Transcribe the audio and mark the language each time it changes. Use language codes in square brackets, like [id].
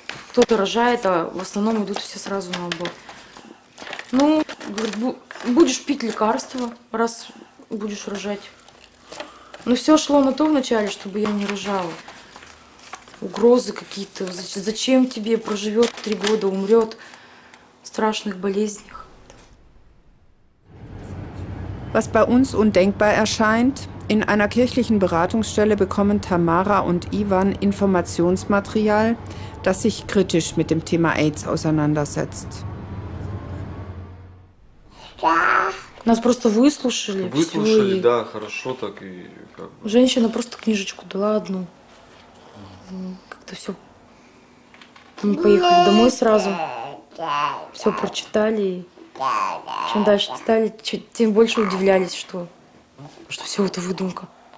[ru] Кто-то рожает, а в основном идут все сразу на аборт. Ну, говорит, будешь пить лекарства, раз будешь рожать. Но все шло на то вначале, чтобы я не рожала. Угрозы какие-то, зачем тебе, проживет 3 года, умрет в страшных болезнях. [de] Was bei uns undenkbar erscheint, in einer kirchlichen Beratungsstelle bekommen Tamara und Ivan Informationsmaterial, das sich kritisch mit dem Thema AIDS auseinandersetzt. [ru] Нас просто выслушали. Выслушали, да, хорошо так и как бы. Женщина просто книжечку дала одну. Как-то все. Мы поехали домой сразу. Все прочитали. И чем дальше читали, тем больше удивлялись, что все это выдумка.